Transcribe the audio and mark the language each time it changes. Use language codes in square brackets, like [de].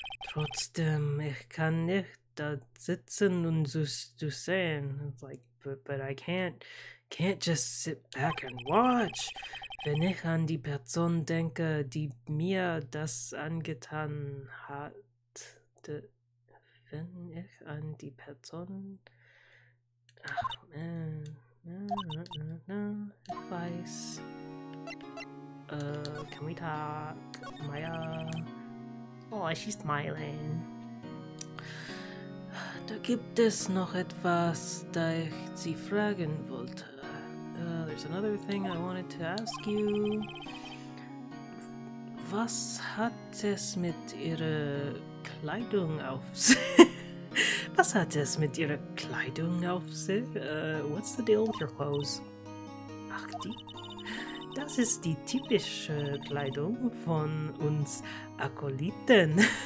[de] Trotzdem, ich kann nicht da sitzen und zu sehen. [en] It's like, but I can't just sit back and watch. [de] Wenn ich an die Person denke, die mir das angetan hat. Wenn ich an die Person... Ach, man. Ich weiß. [en] Can we talk? Maya? Oh, she's smiling. [de] Da gibt es noch etwas, da ich sie fragen wollte. [en] There's another thing I wanted to ask you. [de] Was hat es mit ihrer Kleidung auf sich? Was hat es mit ihrer Kleidung auf sich? [en] What's the deal with your clothes? [de] Ach, die? Das ist die typische Kleidung von uns Akoliten.